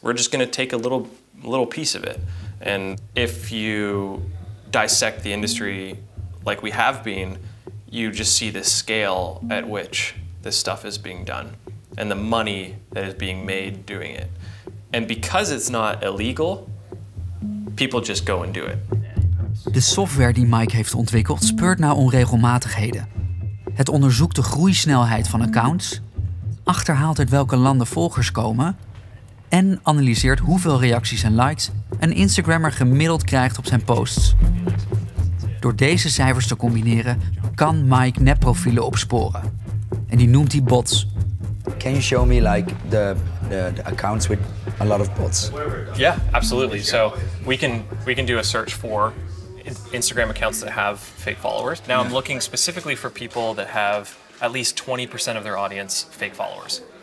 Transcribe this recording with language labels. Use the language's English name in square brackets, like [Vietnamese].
[English] We're just going to take a little piece of it. And if you dissect the industry like we have been, you just see the scale at which this stuff is being done and the money that is being made doing it. And because it's not illegal, people just go and do it. [Dutch] De software die Mike heeft ontwikkeld speurt naar onregelmatigheden. Het onderzoekt de groeisnelheid van accounts, achterhaalt uit welke landen volgers komen en analyseert hoeveel reacties en likes een Instagrammer gemiddeld krijgt op zijn posts. Door deze cijfers te combineren kan Mike nepprofielen opsporen. En die noemt hij bots. [English] Can you show me like the accounts with a lot of bots? Yeah, absolutely. So we can do a search for Instagram accounts that have fake followers. Now I'm looking specifically for people that have at least 20% of their audience fake followers.